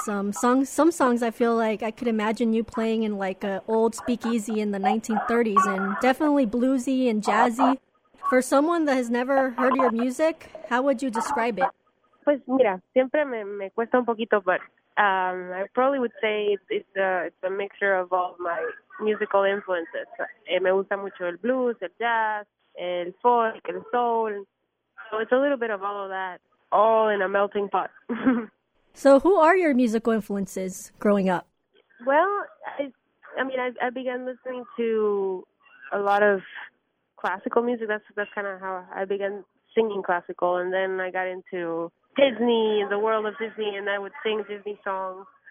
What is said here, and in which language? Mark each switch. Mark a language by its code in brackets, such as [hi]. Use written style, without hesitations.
[en] Some songs I feel like I could imagine you playing in like an old speakeasy in the 1930s, and definitely bluesy and jazzy. For someone that has never heard your music, how would you describe it? [es] Pues mira, siempre me cuesta un poquito, [en] but I probably would say it's a mixture of all my musical influences. [es] Me gusta mucho el blues, el jazz, el folk, el soul. [en] So it's a little bit of all of that. All in a melting pot. So who are your musical influences growing up? Well, I began listening to a lot of classical music. That's kind of how I began singing classical. And then I got into Disney, the world of Disney, and I would sing Disney songs.